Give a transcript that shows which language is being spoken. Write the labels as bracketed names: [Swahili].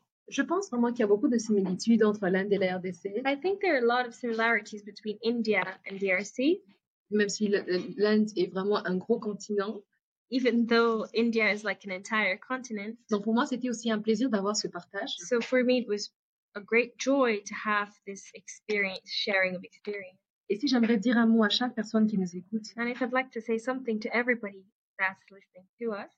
[French] Je pense vraiment qu'il y a beaucoup de similitudes entre l'Inde et la RDC. [English] I think there are a lot of similarities between India and DRC. [French] Même si l'Inde est vraiment un gros continent. [English] Even though India is like an entire continent. [French] Donc pour moi, c'était aussi un plaisir d'avoir ce partage. [English] So for me, it was a great joy to have this experience, sharing of experience. [French] Et si j'aimerais dire un mot à chaque personne qui nous écoute, [English] and if I'd like to say something to everybody that's listening to us,